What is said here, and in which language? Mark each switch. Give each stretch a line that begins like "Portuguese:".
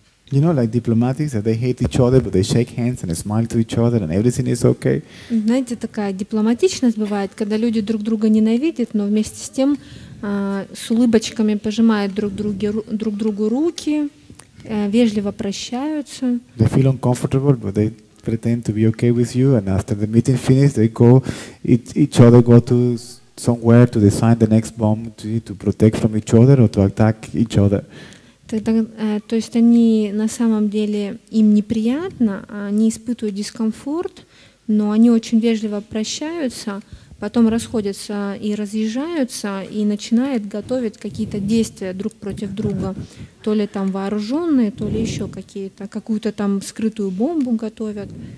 English: You know, like diplomatics, that they hate each other, but they shake hands and they smile to each other, and everything is okay.
Russian: Знаете, такая дипломатичность бывает, когда люди друг друга ненавидят, но вместе с тем с улыбочками пожимают друг другу руки, вежливо прощаются.
English: They feel uncomfortable, but they pretend to be okay with you, and after the meeting finishes, they go each other go to somewhere to design the next bomb to protect from each other or to attack each other.
Russian: Тогда, то есть они на самом деле им неприятно, они испытывают дискомфорт, но они очень вежливо прощаются, потом расходятся и разъезжаются и начинают готовить какие-то действия друг против друга, то ли там вооруженные, то ли еще какие-то, какую-то там скрытую бомбу готовят.